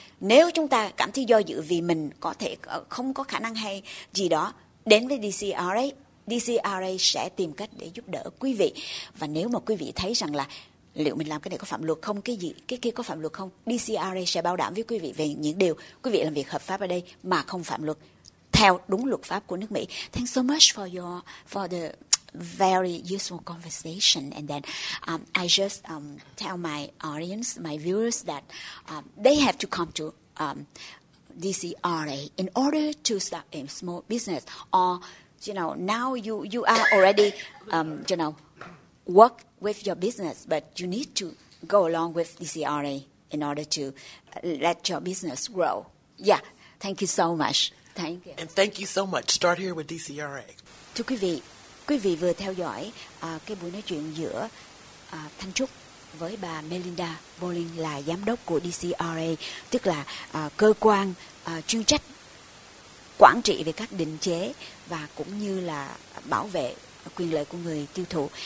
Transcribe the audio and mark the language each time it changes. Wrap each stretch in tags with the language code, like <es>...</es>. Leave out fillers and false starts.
<vi>Nếu chúng ta cảm thấy do dự vì mình có thể không có khả năng hay gì đó, đến với DCRA, DCRA sẽ tìm cách để giúp đỡ quý vị. Và nếu mà quý vị thấy rằng là liệu mình làm cái này có phạm luật không, cái gì cái kia có phạm luật không, DCRA sẽ bảo đảm với quý vị về những điều quý vị làm việc hợp pháp ở đây mà không phạm luật, theo đúng luật pháp của nước Mỹ.</vi> <en>Thanks so much for your for the very useful conversation, and then I just tell my audience, my viewers, that they have to come to DCRA in order to start a small business, or you know, now you are already you know, work with your business, but you need to go along with DCRA in order to let your business grow. Yeah, thank you so much. Thank you. And thank you so much. Start here with DCRA.</en> <vi>Thưa quý vị vừa theo dõi cái buổi nói chuyện giữa Thanh Trúc với bà Melinda Bowling, là giám đốc của DCRA, tức là cơ quan chuyên trách quản trị về các định chế và cũng như là bảo vệ quyền lợi của người tiêu thụ.</vi>